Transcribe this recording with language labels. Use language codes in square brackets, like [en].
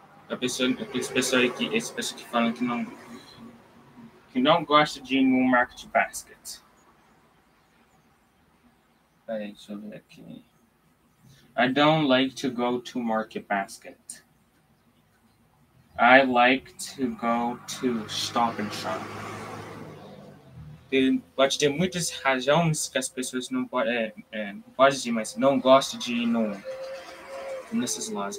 [pt] Essa pessoa que fala que não gosta de ir no Market Basket. Aí, deixa eu ver aqui. [en] I don't like to go to Market Basket. I like to go to Stop and Shop. [pt] Pode ter muitas razões que as pessoas não podem ir, mas não gostam de ir nessas lojas.